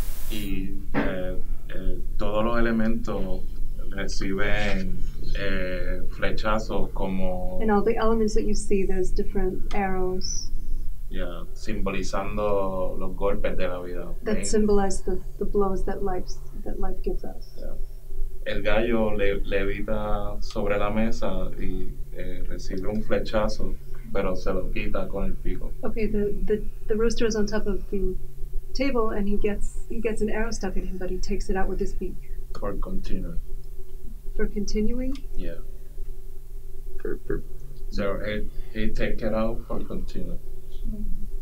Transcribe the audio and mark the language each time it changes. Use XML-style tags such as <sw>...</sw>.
<es>Y todos los elementos reciben flechazos como...</es> <en>And all the elements that you see, there's different arrows.</en> <es>Yeah, simbolizando los golpes de la vida.</es> <en>That symbolize the blows that life gives us. Yeah.</en> <es>El gallo levita sobre la mesa y recibe un flechazo, pero se lo quita con el pico.</es> <en>Okay, the rooster is on top of the table and he gets an arrow stuck in him, but he takes it out with his beak. For continuing. For continuing? Yeah. So he take it out for continuing. Mm-hmm.</en>